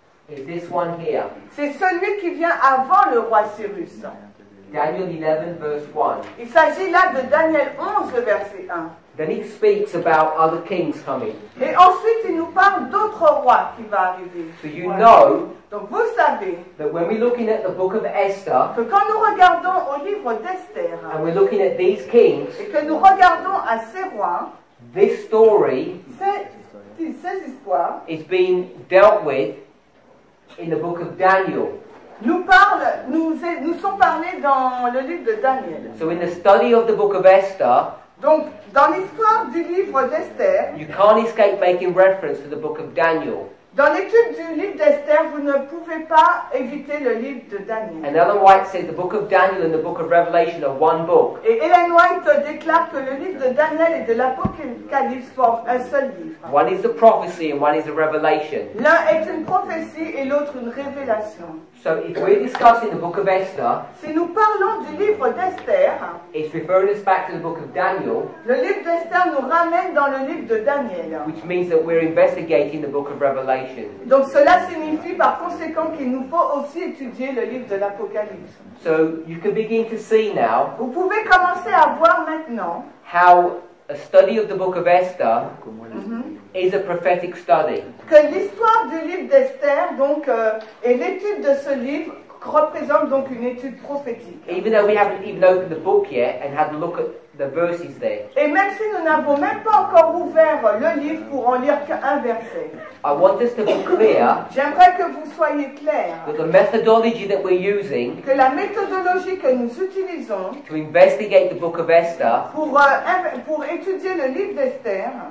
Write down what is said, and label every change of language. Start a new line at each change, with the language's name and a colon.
English: Is this one here?
French: C'est celui qui vient avant le roi Cyrus.
English: Daniel 11 verse 1.
French: Il s'agit là de Daniel 11 verset 1.
English: Then he speaks about other kings coming.
French: Et ensuite il nous parle d'autres rois qui vont arriver.
English: So you know.
French: Donc vous savez
English: that when we're looking at the book of Esther,
French: que quand nous regardons au livre d'Esther,
English: and we're looking at these kings,
French: et que nous regardons à ces rois,
English: this story,
French: cette histoire,
English: is being dealt with in the book of Daniel.
French: Nous sont parlés dans le livre de Daniel.
English: So in the study of the book of Esther,
French: donc dans l'histoire du livre d'Esther,
English: you can't escape making reference to the book of Daniel.
French: Dans l'étude du livre d'Esther, vous ne pouvez pas éviter le livre de Daniel.
English: And Ellen White says the book of Daniel and the book of Revelation are one book.
French: Et Ellen White déclare que le livre de Daniel et de l'Apocalypse forment un seul livre.
English: One is a prophecy and one is a revelation.
French: L'un est une prophétie et l'autre une révélation.
English: So if we're discussing the book of Esther,
French: si nous parlons du livre d'Esther,
English: it's referring us back to the book of Daniel.
French: Le livre d'Esther nous ramène dans le livre de Daniel.
English: Which means that we're investigating the book of Revelation.
French: Donc cela signifie par conséquent qu'il nous faut aussi étudier le livre de l'Apocalypse.
English: So you can begin to see now.
French: Vous pouvez commencer à voir maintenant
English: how a study of the book of Esther is a prophetic study.
French: Que l'histoire du livre d'Esther, donc, et l'étude de ce livre représente donc une étude prophétique.
English: Even though we haven't even opened the book yet and had a look at the verses there.
French: Et même si nous n'avons même pas encore ouvert le livre pour en lire qu'un verset.
English: I want us to be clear.
French: J'aimerais que vous soyez clair.
English: That the methodology that we're using.
French: Que la méthodologie que nous utilisons.
English: To investigate the book of Esther.
French: Pour étudier le livre d'Esther.